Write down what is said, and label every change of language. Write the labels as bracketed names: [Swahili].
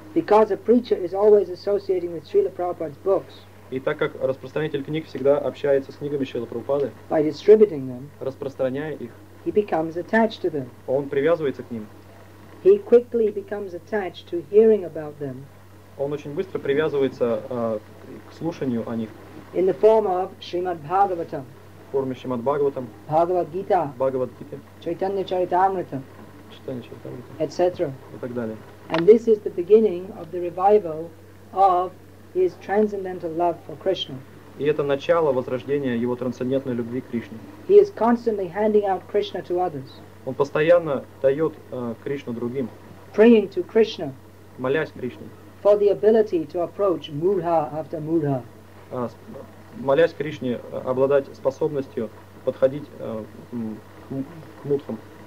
[English] Because a preacher is always associating with Srila Prabhupada's books. [Russian] И так как распространитель книг всегда общается с книгами Шрилы Прабхупады, [English] by distributing them, [Russian] распространяя их, [English] he becomes attached to them. [Russian] Он привязывается к ним. [English] He quickly becomes attached to hearing about them. [Russian] Он очень быстро привязывается к слушанию о них. [English] In the form of Shrimad Bhagavatam. [Russian] В форме Шримад Бхагаватам. [English] Bhagavad Gita. [Russian] Bhagavad Gita. [English] Chaitanya Charitamrita. [Russian] Chaitanya Charitamrita. [English] Etc. [Russian] И так далее. [English] And this is the beginning of the revival of his transcendental love for Krishna. [Russian] И это начало возрождения его трансцендентной любви к Кришне. [English] He is constantly handing out Krishna to others. [Russian] Он постоянно дает Кришну другим. [English] Praying to Krishna. [Russian] Молясь Кришне. [English] For the ability to approach Murha after Murha. [Russian] Молясь Кришне, обладать способностью подходить к мудхам.